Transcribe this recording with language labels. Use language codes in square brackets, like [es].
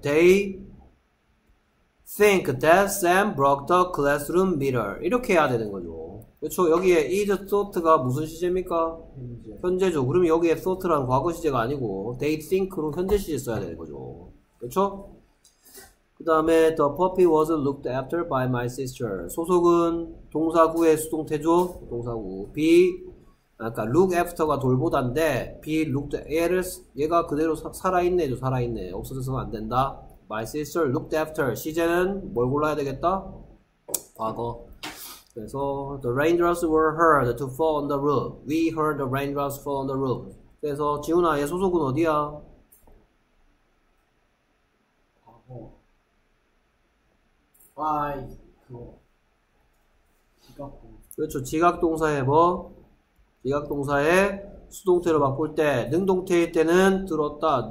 [en] They think that Sam broke the classroom mirror. [ko] 이렇게 해야 되는 거죠. 그렇죠. 여기에 is thought가 무슨 시제입니까? 현재죠. 그럼 여기에 thought라는 과거 시제가 아니고 they think로 현재 시제 써야 되는 거죠. 그렇죠? 그 다음에 [en] the puppy was looked after by my sister. [ko] 소속은 동사구의 수동태죠. 동사구 be 아까 look after가 돌보다인데 be looked 얘를 얘가 그대로 살아있네죠. 살아있네. 없어져서는 안 된다. [en] My sister looked after. [ko] 시제는 뭘 골라야 되겠다? 과거. 그래서 [en] the raindrops were heard to fall on the roof. We heard the raindrops fall on the roof. [ko] 그래서 지훈아, 얘 소속은 어디야? 아이 그거 지각동 그렇죠. 지각동사의 뭐? 지각동사의 수동태로 바꿀 때, 능동태일 때는 들었다.